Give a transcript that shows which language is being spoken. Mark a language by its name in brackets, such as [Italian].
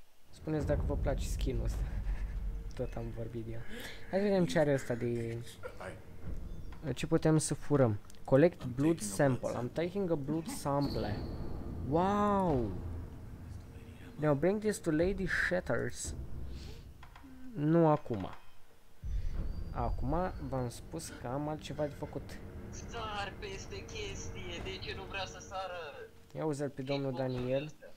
[Romanian] Spuneți dacă vă place skin-ul ăsta. Tot am vorbit de ea. Hai să vedem ce are ăsta de... Ce putem să furăm? [English] Collect blood sample. I'm taking a blood sample. Wow! Now bring this to Lady Shatters. [Romanian] Nu acum. Acum v-am spus că am altceva de făcut. Sar peste chestie, de ce nu vrea să sară? Ia uzi-l pe domnul Daniel.